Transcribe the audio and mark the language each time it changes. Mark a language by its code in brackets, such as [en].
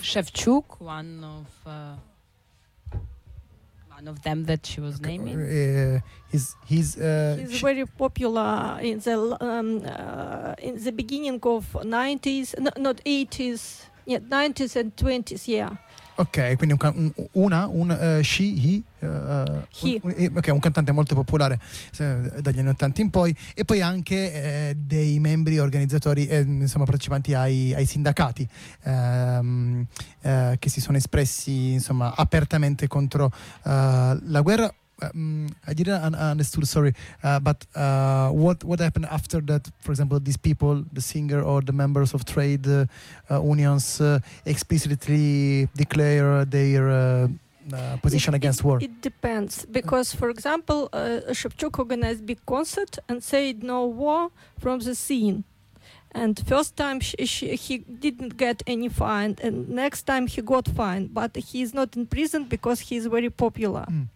[en] Shevchuk, one of them that she was naming. He's very popular in the beginning of 90s, no, not 80s, yeah, 90s and 20s, yeah. [it] Ok, quindi un cantante molto popolare dagli anni 80 in poi, e poi anche dei membri organizzatori, insomma partecipanti ai sindacati, che si sono espressi insomma apertamente contro la guerra. [en] I didn't understood, sorry, but what happened after that, for example, these people, the singer or the members of trade unions explicitly declare their position against war? It depends, because for example Shevchuk organized big concert and said no war from the scene, and first time he didn't get any fine, and next time he got fine, but he is not in prison because he is very popular.